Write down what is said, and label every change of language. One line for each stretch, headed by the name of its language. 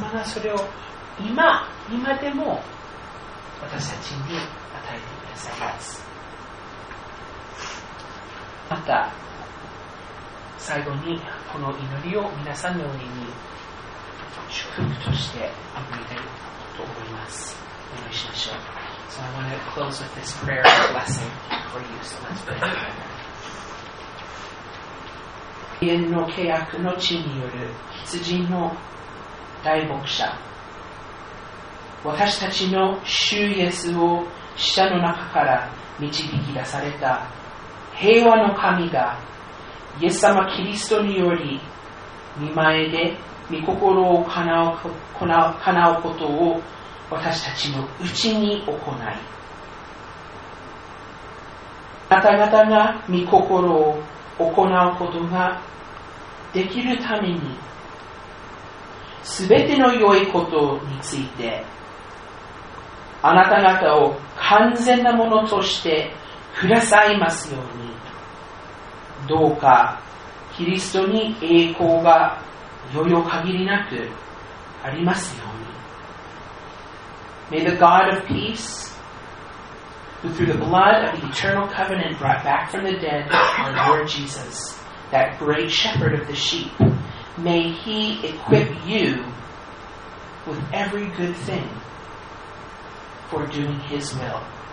Japanese: またそれを今でも私たちに与えてくださいます。また最後にこの祈りを皆さんの上に祝福として祈りたいと思います。お祈りしましょう。
English: So I want to close with this prayer of blessing for you. So let's pray.
Japanese: 永遠の契約の地による羊の大牧者、私たちの主イエスを死者の中から導き出された平和の神が、イエス様キリストにより見前で御心を叶うことを私たちのうちに行い、あなた方が御心を行うことができるために、すべての良いことについてあなた方を完全なものとしてくださいますように、どうかキリストに栄光が余裕限りなくありますように。
English: May the God of peace, who through the blood of the eternal covenant brought back from the dead our Lord Jesus, that great shepherd of the sheep, may he equip you with every good thing for doing his will.